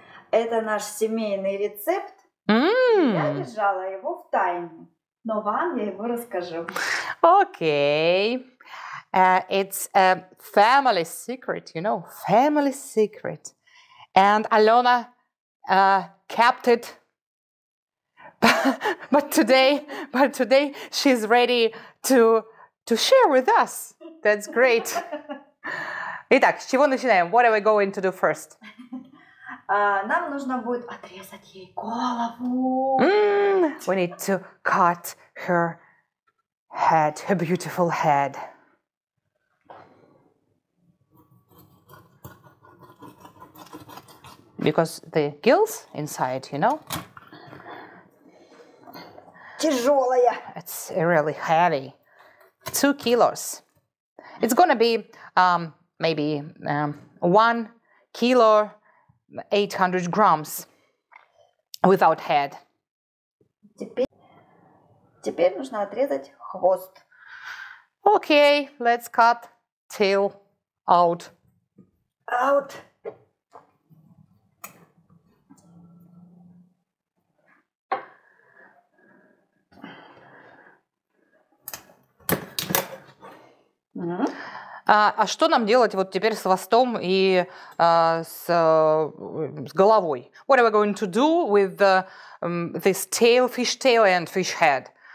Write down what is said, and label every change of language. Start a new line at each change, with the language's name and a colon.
Russian: Это наш семейный рецепт. Я держала его в тайне, но вам я его расскажу.
English: Okay, it's a family secret, you know, family secret, and Alyona kept it. But today she's ready to share with us. That's great.
Russian: Итак, с чего начинаем?
English: What are we going to do first?
Russian: Нам нужно будет отрезать ей голову.
English: We need to cut her head, her beautiful head. Because the gills inside, you know?
Russian: Тяжелая.
English: It's really heavy. 2 kilos. It's gonna be maybe 1 kilo, 800 grams without head.
Russian: Теперь нужно отрезать хвост.
English: Okay, let's cut tail out. Out.
Russian: А что нам делать вот теперь с хвостом и с головой?
English: What are we going to do with the, this tail, fish tail and fish head?